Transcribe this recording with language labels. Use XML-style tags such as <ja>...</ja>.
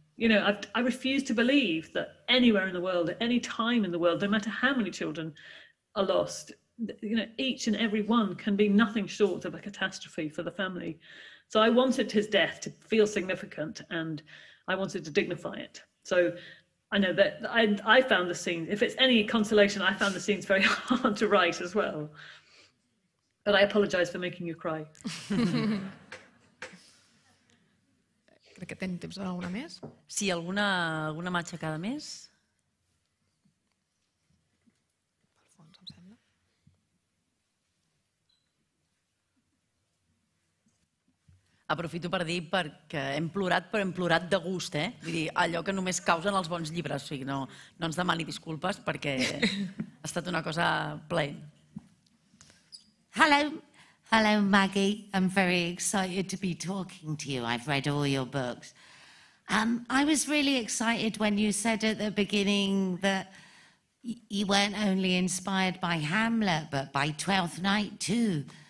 <en>You know, I refuse to believe that anywhere in the world, at any time in the world, no matter how many children are lost, you know, each and every one can be nothing short of a catastrophe for the family. So I wanted his death to feel significant and I wanted to dignify it. So I know that I found the scenes, if it's any consolation, I found the scenes very hard to write as well. But I apologise for making you cry.</en> <ca>Crec que tenim temps per alguna més? Sí, alguna matxacada més? Al fons, em sembla. Aprofito per dir perquè hem plorat, però hem plorat de gust, eh? Vull dir, allò que només causen els bons llibres. O sigui, no ens demani disculpes perquè ha estat una cosa plena.</ca> <en>Hello. Hello, Maggie. I'm very excited to be talking to you. I've read all your books. I was really excited when you said at the beginning that you weren't only inspired by Hamlet, but by Twelfth Night too.</en>